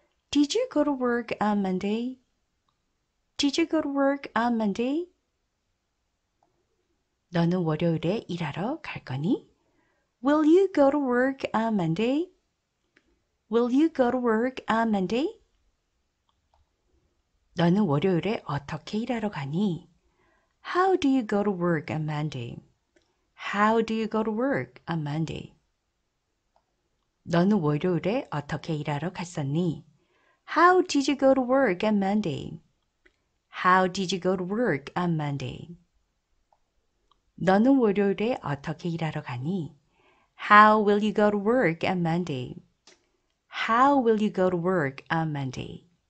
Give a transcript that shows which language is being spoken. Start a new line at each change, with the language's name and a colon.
English: Did you go to work on Monday? Did you go to work on Monday?
Korean: 너는 월요일에 일하러 갈 거니?
English: Will you go to work on Monday? Will you go to work on Monday?
Korean: 너는 월요일에 어떻게 일하러 가니?
English: How do you go to work on Monday? How do you go to work on Monday?
Korean: 너는 월요일에 어떻게 일하러 갔었니?
English: How did you go to work on Monday? How did you go to work on Monday?
Korean: 너는 월요일에 어떻게 일하러 가니?
English: How will you go to work on Monday? How will you go to work on Monday?